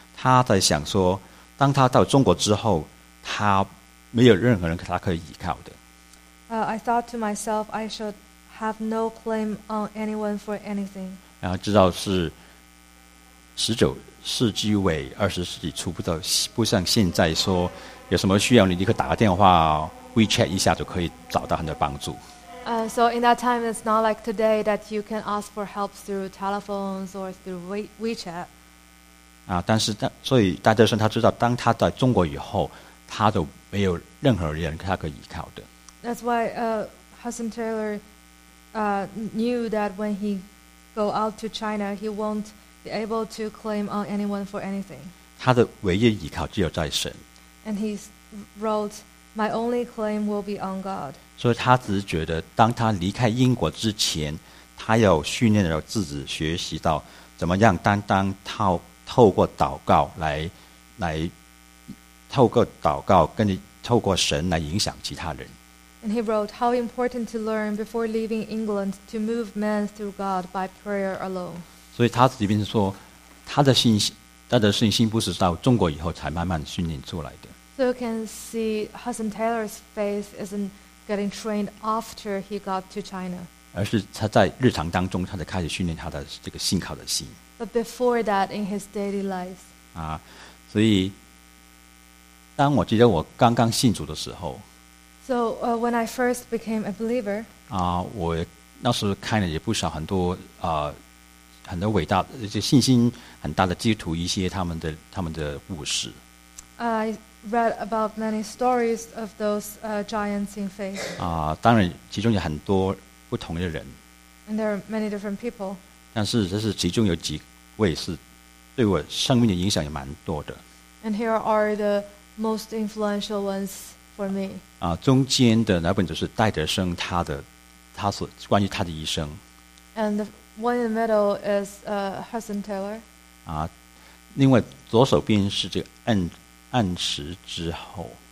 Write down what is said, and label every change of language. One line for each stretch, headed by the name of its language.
Chinese: 他在想说，当他到中国之后，他没有任何人他可以依靠的。
English: I thought to myself, I should have no claim on anyone for anything.
Chinese: 然后知道是十九世纪尾、二十世纪初，不像现在说有什么需要，你立刻打个电话 ，WeChat 一下就可以找到很多帮助。
English: So in that time, it's not like today that you can ask for help through telephones or through WeChat.
Chinese: 啊，但是所以戴德生他知道，当他在中国以后，他就没有任何人他可以依靠的。
English: That's why Hudson Taylor knew that when he go out to China, he won't be able to claim on anyone for anything.
Chinese: 他的唯一依靠只有在神。
English: And he wrote, "My only claim will be on God."
Chinese: 所以他只是觉得，当他离开英国之前，他要训练要自己学习到怎么样担当套。透过祷告来透过祷告跟透过神来影响其他人。
English: And he wrote, how important to learn before leaving England to move men through God by prayer alone.
Chinese: 所以他这边说他的信心不是到中国以后才慢慢训练出来的。
English: So you can see Hudson Taylor's faith isn't getting trained after he got to China.
Chinese: 而是他在日常当中他就开始训练他的这个信靠的心。
English: But before that, in his daily life.
Chinese: 啊，所以当我记得我刚刚信主的时候
English: ，So when I first became a believer.
Chinese: 啊，我那时候看了也不少很多很多伟大就信心很大的基督徒一些他们的故事。
English: I read about many stories of those giants in faith.
Chinese: 啊，当然其中有很多不同的人。
English: And there are many different people.
Chinese: 但是这是其中有几。我也是对我生命的影响也蛮多的。
English: And here are the most influential ones for me.
Chinese: 啊，中间的那本就是戴德生他所关于他的一生。
English: And the one in the middle is Hudson Taylor.
Chinese: 啊，另外左手边是这个暗时之后。